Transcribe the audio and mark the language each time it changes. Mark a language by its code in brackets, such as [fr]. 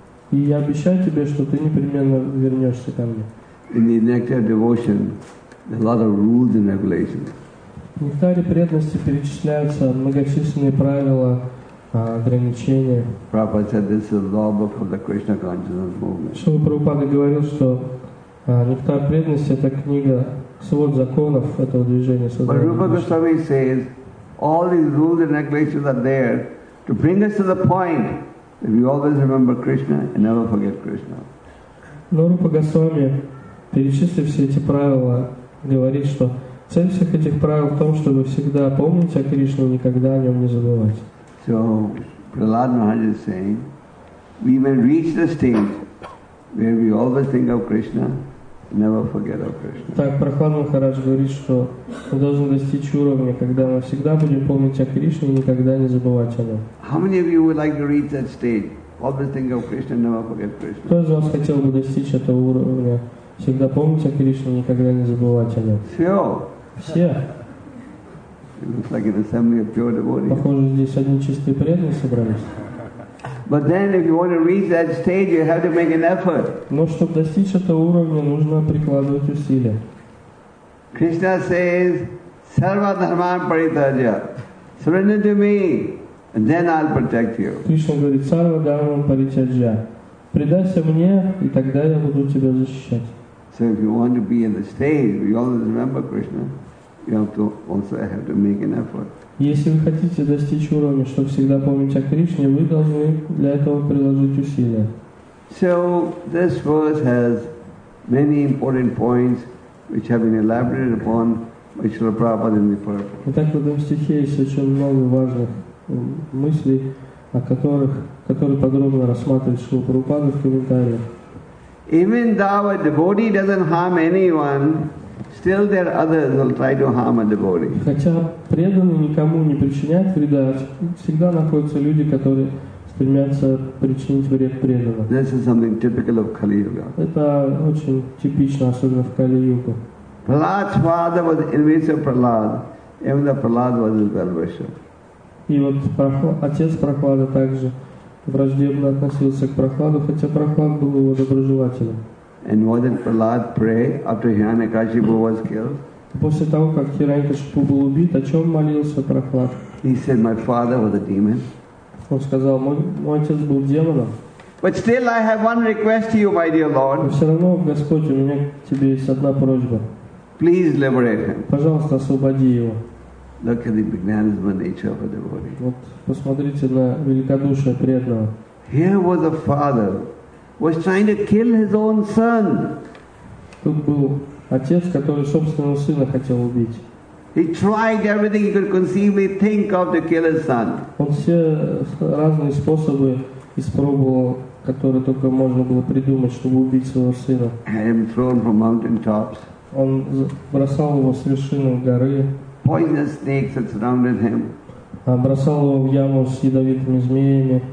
[ru] И я обещаю тебе, что ты непременно вернешься ко мне. [en] In the nectar of devotion, there are a lot of rules and regulations. [ru] В нектаре преданности перечисляются многочисленные правила, ограничения. [en] Prabhupada said this is lobby for the Krishna consciousness movement. [ru] Шрила Прабхупада говорил, что нектар преданности — это книга, свод законов этого движения. [en] But Rupa Goswami says, all these rules and regulations are there to bring us to the point that we always remember Krishna and never forget Krishna. [ru] Но Рупа Госвами, перечислив все эти правила, говорит, что цель всех этих правил в том, чтобы всегда помнить о Кришне и никогда о нем не забывать. [en] So, Prahlad Maharaj is saying, we will reach the stage where we always think of Krishna, never forget of Krishna. [ru] Так, Прахлад Махарадж говорит, что мы должны достичь уровня, когда мы всегда будем помнить о Кришне и никогда не забывать о нем. [en] How many of you would like to reach that stage? Always think of Krishna, never forget Krishna. [ru] Кто из вас хотел бы достичь этого уровня? Всегда помните о Кришне, никогда не забывайте о нем. Все. Все. Похоже, здесь одни чистые преданные собрались. Но чтобы достичь этого уровня, нужно прикладывать усилия. [en] Кришна says, [sa] "Sarva dharman paritaja, [en] surrender to me, and then I'll protect you." [ru] Кришна говорит, [sa] "Sarva dharman paritaja, [ru] предайся мне, и тогда я буду тебя защищать." [en] So if you want to be in the stage, we always remember Krishna, you have to also have to make an effort. [ru] Если вы хотите достичь уровня, чтобы всегда помнить о Кришне, вы должны для этого приложить усилия. [en] So this verse has many important points which have been elaborated upon by Srila Prabhupada in the purport. [ru] Итак, в этом стихе есть очень много важных мыслей, о которых, которые подробно рассматривает Шрила Прабхупада в комментариях. [en] Even though a devotee doesn't harm anyone, still there are others who'll try to harm a devotee. [ru] Хотя преданный никому не причиняет вреда, всегда находятся люди, которые стремятся причинить вред преданному. [en] This is something typical of Kali Yuga. [ru] Это очень типично, особенно в Кали Югу. [en] Prahlad's father was envious of Prahlad, even though Prahlad was his well-wisher. [ru] И вот отец Прахлада также враждебно относился к Прахладу, хотя Прахлад был его доброжелателем. [en] And wasn't Prahlad pray after Hiranyakashipu was killed? [ru] После того, как Хираньякашипу был убит, о чем молился Прахлад? [en] He said, my father was a demon. [ru] Он сказал, мой отец был демоном. [en] But still I have one request to you, my dear Lord. [ru] Но все равно, Господь, у меня к тебе есть одна просьба. [en] Please liberate him. [ru] Пожалуйста, освободи его. [en] Look at the magnanimous nature of a devotee. [ru] Вот посмотрите на великодушие преданного. [en] Here was a father was trying to kill his own son. [ru] Тут был отец, который собственного сына хотел убить. [en] He tried everything he could conceivably think of to kill his son. [ru] Он все разные способы испробовал, которые только можно было придумать, чтобы убить своего сына. [en] Had him thrown from mountain tops. [ru] Он бросал его с вершины горы. [en] Poisonous snakes that surrounded him. [ru] Бросал его в яму с ядовитыми змеями.